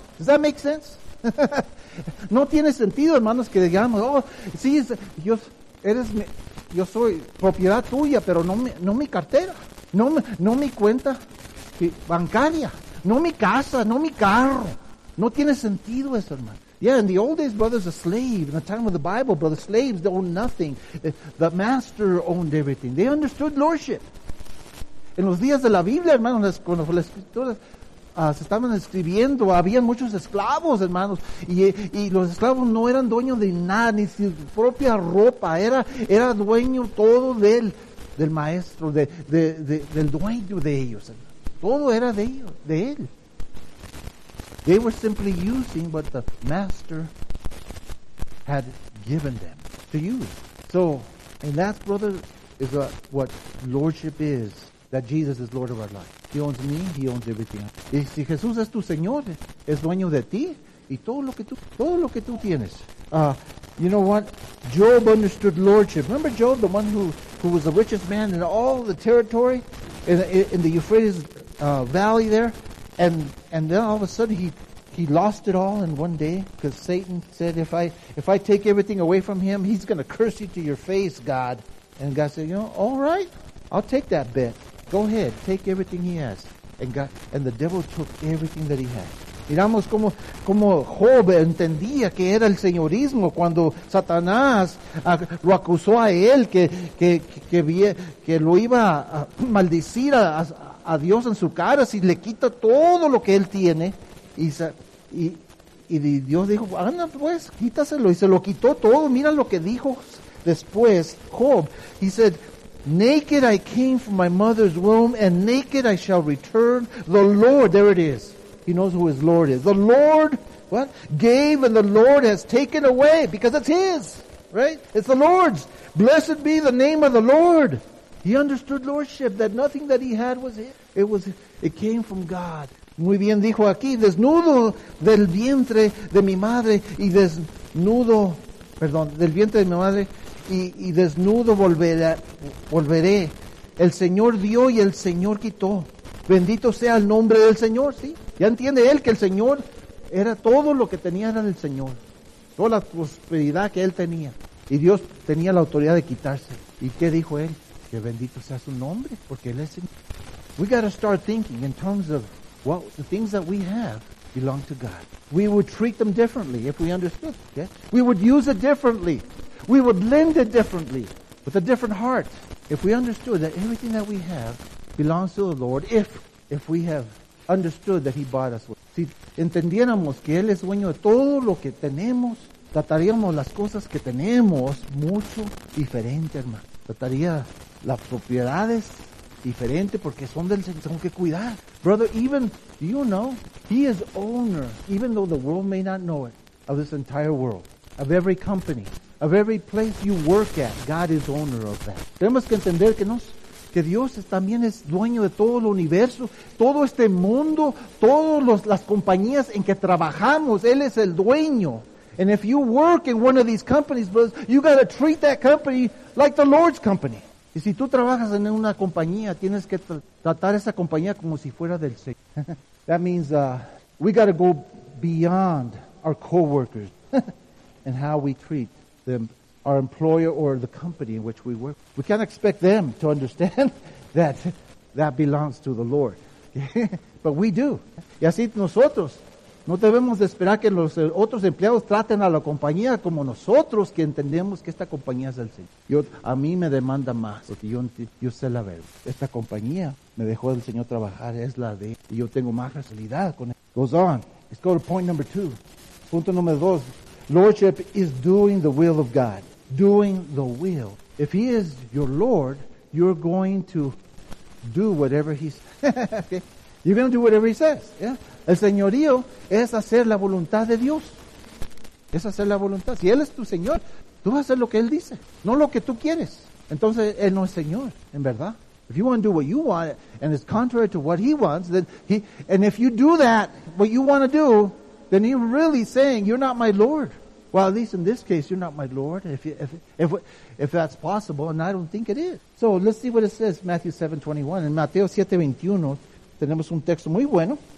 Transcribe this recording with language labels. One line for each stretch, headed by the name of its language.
English: Does that make sense?
Spanish: No tiene sentido, hermanos, que digamos, oh, sí, yo soy propiedad tuya, pero no mi cartera, no mi cuenta bancaria, no mi casa, no mi carro. No tiene sentido eso, hermano.
English: Yeah, in the old days, brothers, a slave, in the time of the Bible, brothers, slaves owned nothing. The master owned everything. They understood lordship.
Spanish: En los días de la Biblia, hermanos, cuando las escrituras se estaban escribiendo, había muchos esclavos, hermanos, y los esclavos no eran dueños de nada, ni su propia ropa, era dueño todo del maestro, del dueño de ellos. Todo era de ellos, de él.
English: They were simply using what the master had given them to use. So, and that, brother, is what lordship is. That Jesus is Lord of our life. He owns me, he owns everything. Y si Jesús es tu Señor, es dueño de ti y todo lo que tú tienes. You know what? Job understood lordship. Remember Job, the one who was the richest man in all the territory in the Euphrates valley there? And then all of a sudden he lost it all in one day because Satan said, if I take everything away from him, he's going to curse you to your face, God. And God said, you know, all right, I'll take that bet. Go ahead, take everything he has. And the devil took everything that he had.
Spanish: Miramos como Job entendía que era el señorismo cuando Satanás lo acusó a él que lo iba a maldecir a Dios en su cara, si le quita todo lo que él tiene, y Dios dijo, anda pues, quítaselo, y se lo quitó todo. Mira lo que dijo después Job.
English: He said, naked I came from my mother's womb, and naked I shall return. The Lord, there it is. He knows who his Lord is. The Lord, what? Gave, and the Lord has taken away, because it's his, right? It's the Lord's. Blessed be the name of the Lord. He understood lordship, that nothing that he had was his. It came from God.
Spanish: Muy bien dijo aquí, desnudo del vientre de mi madre, y desnudo, perdón, del vientre de mi madre, y desnudo volveré. El Señor dio y el Señor quitó. Bendito sea el nombre del Señor, ¿sí? Ya entiende él que el Señor era todo lo que tenía, era del Señor. Toda la prosperidad que él tenía. Y Dios tenía la autoridad de quitarse. ¿Y qué dijo él? Que bendito sea su nombre, porque él es Señor.
English: We got to start thinking in terms of, well, the things that we have belong to God. We would treat them differently if we understood. Yeah? We would use it differently. We would lend it differently, with a different heart. If we understood that everything that we have belongs to the Lord, if we have understood that He bought us.
Spanish: Si entendiéramos que Él es dueño de todo lo que tenemos, trataríamos las cosas que tenemos mucho diferente, hermano. Trataría las propiedades diferente porque son del Señor. Tengo que cuidar.
English: Brother, even, you know, He is owner, even though the world may not know it, of this entire world, of every company, of every place you work at, God is owner of that.
Spanish: Tenemos que entender que Dios también es dueño de todo el universo, todo este mundo, todas las compañías en que trabajamos, Él es el dueño.
English: And if you work in one of these companies, you got to treat that company like the Lord's company.
Spanish: Y si tú trabajas en una compañía, tienes que tratar esa compañía como si fuera del Señor.
English: That means we got to go beyond our co-workers and how we treat them, our employer or the company in which we work. We can't expect them to understand that belongs to the Lord. But we do.
Spanish: Y así nosotros, no debemos esperar que los otros empleados traten a la compañía como nosotros que entendemos que esta compañía es del Señor. A mí me demanda más, porque yo sé la verdad. Esta compañía me dejó del Señor trabajar, es la de, y yo tengo más facilidad con él.
English: Goes on. Let's go to point number two.
Spanish: Punto número dos.
English: Lordship is doing the will of God. Doing the will. If He is your Lord, you're going to do whatever He says. You're going to do whatever He says. Yeah?
Spanish: El Señorío es hacer la voluntad de Dios. Es hacer la voluntad. Si Él es tu Señor, tú vas a hacer lo que Él dice, no lo que tú quieres. Entonces, Él no es Señor, en verdad.
English: If you want to do what you want, and it's contrary to what He wants, then and if you do that, what you want to do, then you're really saying, you're not my Lord. Well, at least in this case, you're not my Lord, if that's possible, and I don't think it is. So let's see what it says, Matthew 7:21. In
Spanish: Mateo 7:21, tenemos un texto muy bueno.